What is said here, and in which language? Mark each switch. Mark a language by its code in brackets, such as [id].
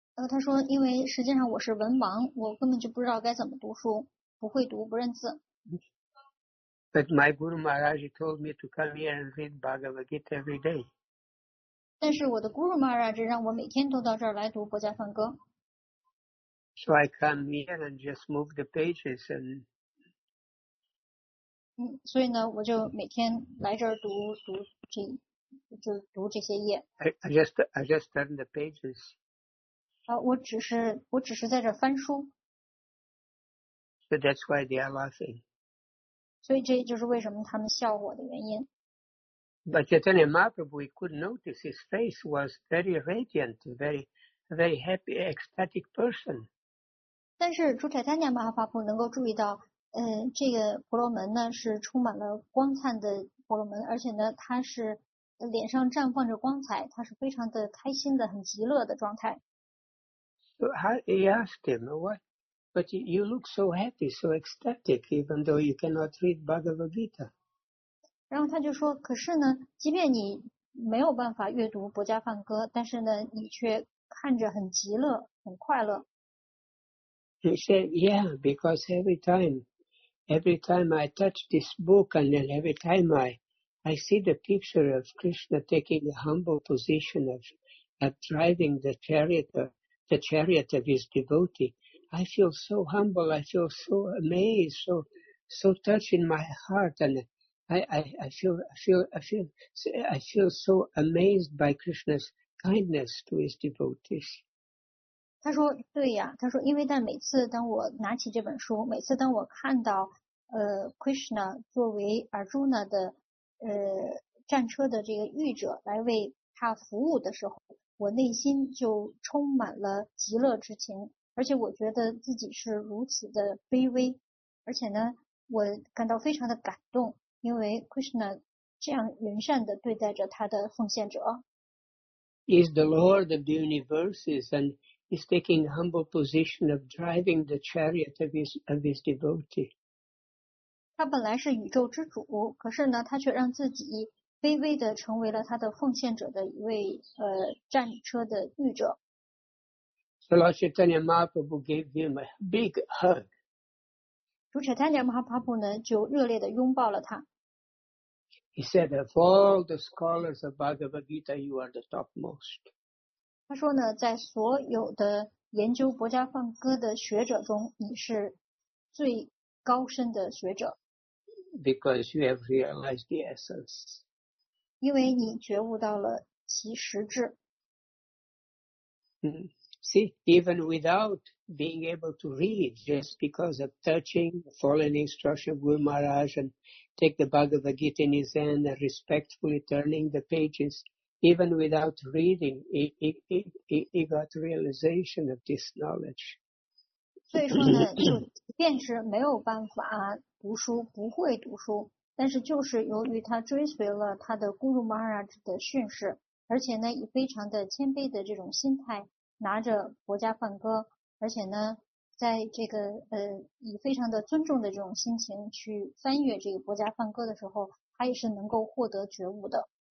[zh] 他说，因为实际上我是文盲，我根本就不知道该怎么读书，不会读，不认字。 [en] But my Guru Maharaj told me to come here and read Bhagavad Gita every day. [zh] 但是我的 Guru Maharaj 让我每天都到这儿来读薄伽梵歌。 [en] So I come here and just move the pages and. [zh] 所以呢，我就每天来这儿读这些页。 [en] I just turn the pages. [zh] 我只是在这翻书。 [en] So that's why they are laughing. [zh] 所以这就是为什么他们笑我的原因。 [en] But Chaitanya Mahaprabhu, we could notice his face was very radiant, very, very happy, ecstatic person. [zh] 但是主 Chaitanya Mahaprabhu 能够注意到。这个婆罗门呢是充满了光灿的婆罗门，而且呢他是脸上绽放着光彩，他是非常的开心的，很极乐的状态。 [en] So he asked him, "What? But you look so happy, so ecstatic, even though you cannot read Bhagavad Gita." [zh] 然后他就说，可是呢，即便你没有办法阅读薄伽梵歌，但是呢，你却看着很极乐，很快乐。 [en] He said, "Yeah, because every time I touch this book, and then every time I see the picture of Krishna taking the humble position of driving the chariot of his devotee, I feel so humble. I feel so amazed, so touched in my heart, and I feel so amazed by Krishna's kindness to his devotees." [zh] 他说对呀，他说因为但每次当我拿起这本书，每次当我看到Krishna 作为 Arjuna 的战车的这个御者来为他服务的时候，我内心就充满了极乐之情，而且我觉得自己是如此的卑微，而且呢我感到非常的感动，因为 Krishna 这样仁善的对待着他的奉献者。 [en] Is the Lord of the universes andHe's taking a humble position of driving the chariot of his devotee. [zh] 他本来是宇宙之主，可是呢，他却让自己卑微的成为了他的奉献者的一位战车的御者。 [en] So Lord Chaitanya Mahaprabhu gave him a big hug. [zh] 主 Chaitanya Mahaprabhu 呢，就热烈的拥抱了他。 [en] He said, "Of all the scholars of Bhagavad Gita, you are the topmost." [zh] 他说呢，在所有的研究薄伽梵歌的学者中，你是最高深的学者。 [en] Because you have realized the essence. [zh] 因为你觉悟到了其实质。 [en] See, even without being able to read, just because of touching the fallen instruction of Guru Maharaj and take the Bhagavad Gita in his hand and respectfully turning the pages,Even without reading, he got realization of this knowledge. [zh] 所以说呢，就即便是没有办法读书，不会读书，但是就是由于他追随了他的 Guru Maharaj 的训示，而且呢，以非常的谦卑的这种心态，拿着薄伽梵歌，而且呢，在这个以非常的尊重的这种心情去翻阅这个薄伽梵歌的时候，他也是能够获得觉悟的。